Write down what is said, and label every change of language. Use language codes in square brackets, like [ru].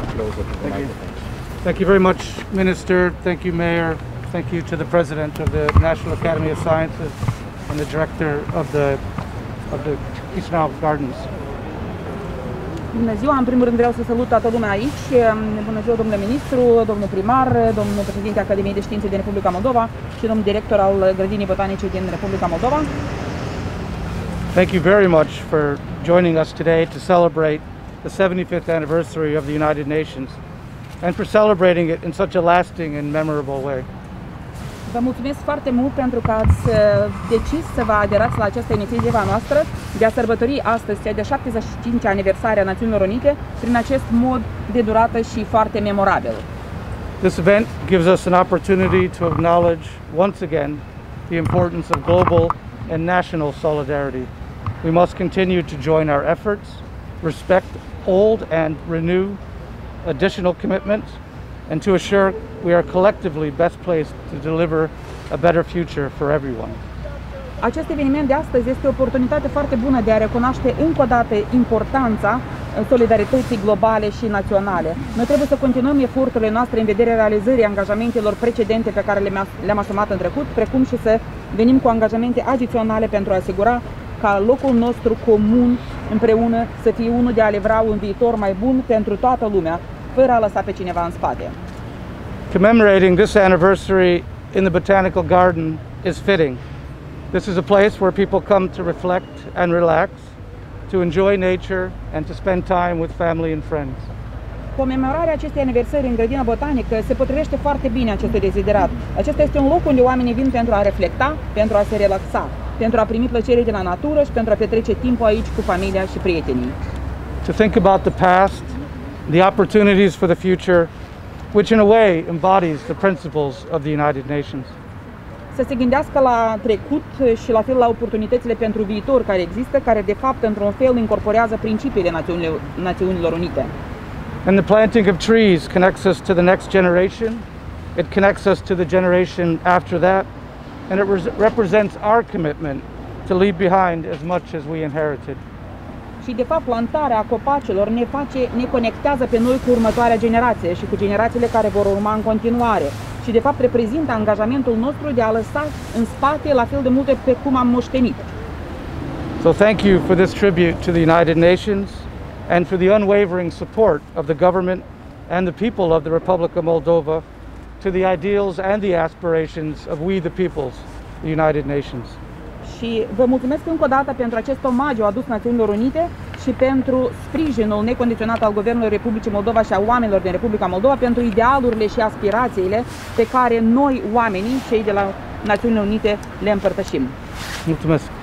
[en] Thank you very much, Minister. Thank you, Mayor. Thank you to the President of the National Academy of Sciences and the Director of the Chișinău Gardens. [ro] Bună ziua! În primul rând vreau să salut toată lumea aici. Bună ziua, domnule ministru, domnul primar, domnul președinte Academiei de Științe din Republica Moldova și domnul director al Grădinii Botanice din Republica Moldova. [en] Thank you very much for joining us today to celebrate the 75th anniversary of the United Nations and for celebrating it in such a lasting and memorable way. [ro] Vă mulțumesc foarte mult pentru că ați decis să vă aderați la această inițiativă noastră de a sărbători astăzi cea de 75-a aniversare a Națiunilor Unite prin acest mod de durată și foarte memorabil. [en] This event gives us an opportunity to acknowledge once again the importance of global and national solidarity. We must continue to join our efforts, respect old and renew additional commitments, and to assure we are collectively best placed to deliver a better future for everyone. [ro] Acest eveniment de astăzi este o oportunitate foarte bună de a recunoaște încă o dată importanța solidarității globale și naționale. Noi trebuie să continuăm eforturile noastre în vederea realizării angajamentelor precedente pe care le-am asumat în trecut, precum și să venim cu angajamente adiționale pentru a asigura ca locul nostru comun împreună să fie unul de a livra un viitor mai bun pentru toată lumea, fără a lăsa pe cineva în spate. [en] Commemorating this anniversary in the Botanical Garden is fitting. This is a place where people come to reflect and relax, to enjoy nature and to spend time with family and friends. [ro] Comemorarea acestei aniversări în grădina botanică se potrivește foarte bine acestui deziderat. Acesta este un loc unde oamenii vin pentru a reflecta, pentru a se relaxa, pentru a primi plăcere de la natură și pentru a petrece timpul aici cu familia și prietenii. [en] To think about the past, the opportunities for the future, which in a way embodies the principles of the United Nations. [ro] Să se gândească la trecut și la fel la oportunitățile pentru viitor care există, care de fapt într-un fel incorporează principiile Națiunilor Unite. [en] And the planting of trees connects us to the next generation. It connects us to the generation after that, and it represents our commitment to leave behind as much as we inherited. [ro] Și de fapt plantarea copacilor ne conectează pe noi cu următoarea generație și cu generațiile care vor urma în continuare. Și de fapt reprezintă angajamentul nostru de a lăsa în spate la fel de multe pe cum am moștenit. [en] So thank you for this tribute to the United Nations and for the unwavering support of the government and the people of the Republic of Moldova to the ideals and the aspirations of we the peoples, the United Nations. [ro] Și vă mulțumesc încă o dată pentru acest omagiu adus Națiunilor Unite și pentru sprijinul necondiționat al Guvernului Republicii Moldova și a oamenilor din Republica Moldova pentru idealurile și aspirațiile pe care noi, oamenii, cei de la Națiunile Unite, le împărtășim. Mulțumesc!